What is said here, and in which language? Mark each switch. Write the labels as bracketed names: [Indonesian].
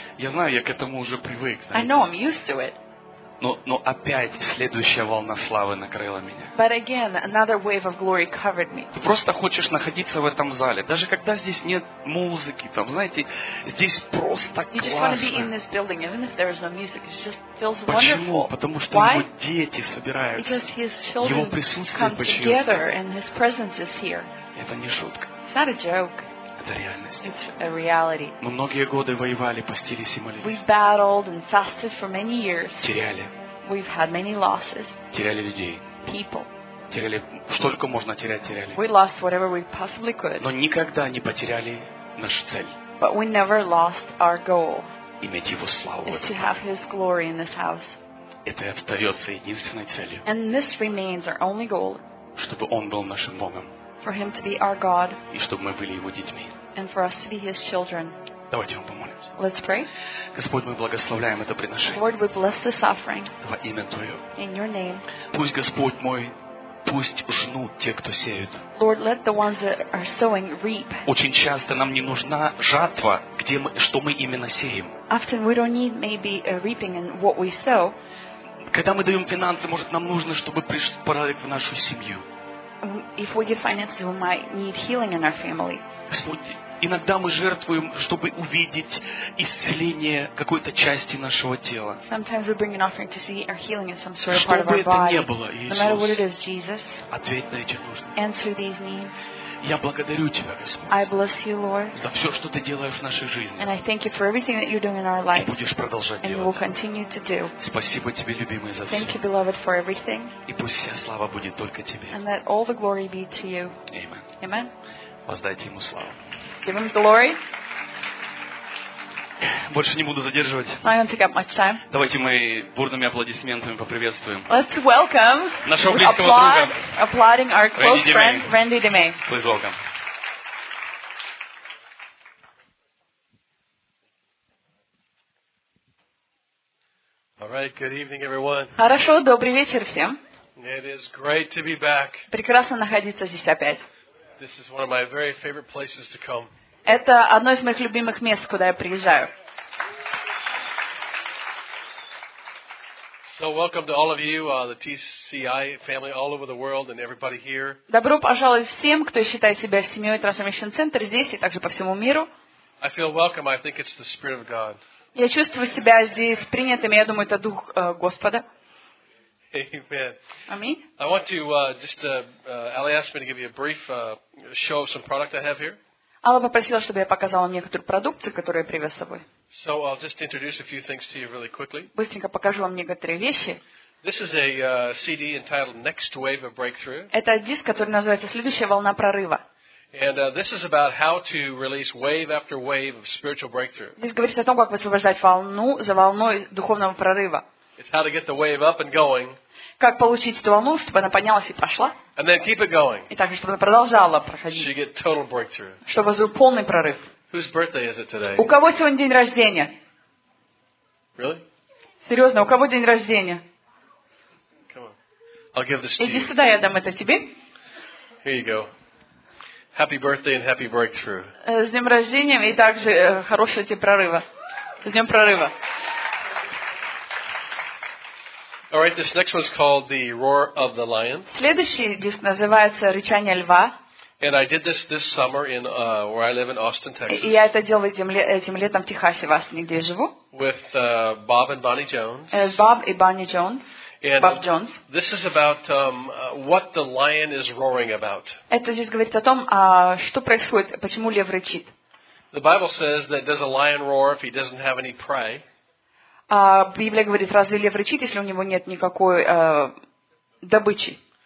[Russian] Я знаю, я к этому уже привык. [English] I know, I'm used to it. [Russian] Но опять следующая волна славы накрыла меня. [English] But again, another wave of glory covered me. [Russian] Ты просто хочешь находиться в этом зале, даже когда здесь нет музыки, там, знаете, здесь просто классно. [English] You just want to be in this building, even if there is no music. It just feels [Russian] Почему? [English] Wonderful. [Russian] Почему? Потому что [English] Why? [Russian] Его дети собираются. [English] Because his children [Russian] его присутствие [English] come together and his presence is here. [Russian] Это не шутка. [English] It's not a joke. It's a reality. [Russian] Мы многие годы воевали, постились и молились. [English] We've battled and fasted for many years. [Russian] Теряли. [English] We've had many losses. [Russian] Теряли людей. [English] People. [Russian] Теряли, столько можно терять, теряли. [English] We lost whatever we possibly could. [Russian] Но никогда не потеряли нашу цель. [English] But we never lost our goal. [Russian] Иметь его славу. [English] Is to have his glory in this house. [Russian] Это и остается единственной целью. [English] And this remains our only goal. [Russian] Чтобы он был нашим Богом. [English] For him to be our God. [Russian] И чтобы мы были его детьми. [English] And for us to be his children. [Russian] Давайте ему помолимся. [English] Let's pray. [Russian] Господь, мы благословляем это приношение. [English] Lord, we bless this offering. [Russian] Во имя Твое. [English] In your name. [Russian] Пусть Господь мой, пусть жнут те, кто сеют. [English] Lord, let the ones that are sowing reap. [Russian] Очень часто нам не нужна жатва, где мы, что мы именно сеем. [English] Often we don't need maybe a reaping in what we sow. [Russian] Когда мы даем финансы, может нам нужно, чтобы пришел человек в нашу семью. [English] if we give finances, we might need healing in our family. [Russian] Иногда мы жертвуем, чтобы увидеть исцеление какой-то части нашего тела. [English] Sometimes we bring an offering to see our healing in some sort of part of our body. [Russian] Было, Иисус, [English] no matter what it is, Jesus, [Russian] ответь на эти нужды. [English] Answer these needs. [Russian] Я благодарю тебя, Господь. [English] I bless you, Lord. [Russian] За все, что ты делаешь в нашей жизни. [English] And I thank you for everything that you're doing in our life. [Russian] И будешь продолжать [English] and [Russian] делать. [English] And we'll continue to do. [Russian] Спасибо тебе, любимый, за все. [English] Thank you, beloved, for everything. [Russian] И пусть вся слава будет только тебе. [English] And let all the glory be to you. Amen. Amen. [Russian] Воздайте ему славу. [English] Give him glory. [Russian] Больше не буду задерживать. [English] I don't take up much time. [Russian] Давайте мы бурными аплодисментами поприветствуем. [English] Let's welcome [Russian] нашего близкого [English] applaud, [Russian] друга. [English] Applauding our close Randy friend DeMay. Randy DeMay. Please welcome. All right, good evening, everyone. [Russian] Хорошо, добрый вечер всем. [English] It is great to be back. [Russian] Прекрасно находиться здесь опять. [English] This is one of my very favorite places to come. [Russian] Это одно из моих любимых мест, куда я приезжаю. [English] So welcome to all of you, the TCI family all over the world and everybody here. [Russian] Добро пожаловать всем, кто считает себя семьей Transformation Center здесь и также по всему миру. [English] I feel welcome. I think it's the Spirit of God. [Russian] Я чувствую себя здесь принятым. Я думаю, это Дух Господа. [English] Amen. I want to just Ali asked me to give you a brief show of some product I have here. [Russian] Алла попросила, чтобы я показал вам некоторую продукцию, которую я привез с собой. [English] So I'll just introduce a few things to you really quickly. [Russian] Быстренько покажу вам некоторые вещи. [English] This is a CD entitled Next Wave of Breakthrough. [Russian] Это диск, который называется Следующая волна прорыва. [English] And this is about how to release wave after wave of spiritual breakthrough. [Russian] Здесь говорится о том, как высвобождать волну за волной духовного прорыва. [English] It's how to get the wave up and going. [Russian] Как получить эту волну, чтобы она поднялась и пошла? [English] And then keep it going. [Russian] И также, чтобы она продолжала проходить. [English] So you get total breakthrough. [Russian] Чтобы был полный прорыв. [English] Whose birthday is it today? [Russian] У кого сегодня день рождения? [English] Really? [Russian] Серьезно, у кого день рождения? [English] Come on. I'll give this to you. [Russian] Иди сюда, я дам это тебе. [English] Here you go. Happy birthday and happy breakthrough. [Russian] С днем рождения и также хорошего тебе прорыва. С днем прорыва. [English] All right, this next one's called The Roar of the Lion. [Russian] Следующий диск называется Рычание льва. [English] And I did this summer in where I live in Austin, Texas. [Russian] И я это делал этим летом в Техасе, в Астине, где я живу. [English] With Bob and Bonnie Jones. Bob и Bonnie Jones. And Bob Jones. This is about what the lion is roaring about. [Russian] Это здесь говорит о том, что происходит, почему лев рычит. [English] The Bible says that does a lion roar if he doesn't have any prey? [Russian] Библия говорит, разве лев рычит, если у него нет никакой добычи?